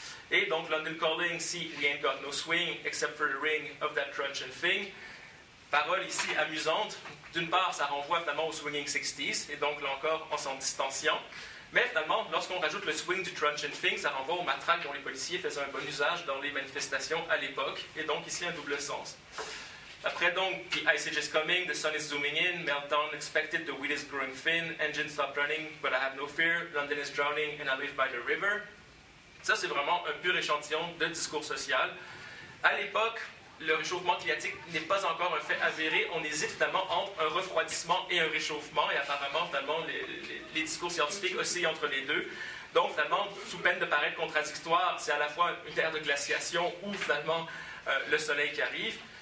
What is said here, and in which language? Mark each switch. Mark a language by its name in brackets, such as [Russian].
[French] Et donc [English] London Calling, see, we ain't got no swing, except for the ring of that crunch and thing. [French] Parole ici amusante. D'une part, ça renvoie finalement au swinging 60s, et donc là encore, en s'en distanciant. Mais finalement, lorsqu'on rajoute le swing du Trunch and Thing, ça renvoie aux matraques dont les policiers faisaient un bon usage dans les manifestations à l'époque, et donc ici un double sens. Après donc, [English] the ice age is coming, the sun is zooming in, meltdown expected, the wheat is growing thin, engine stopped running, but I have no fear, London is drowning, and I live by the river. [French] Ça, c'est vraiment un pur échantillon de discours social. À l'époque, le réchauffement climatique n'est pas encore un fait avéré. On hésite finalement entre un refroidissement et un réchauffement. Et apparemment, finalement, les discours scientifiques oscillent entre les deux. Donc, finalement, sous peine de paraître contradictoire, c'est à la fois une ère de glaciation ou finalement le soleil qui arrive.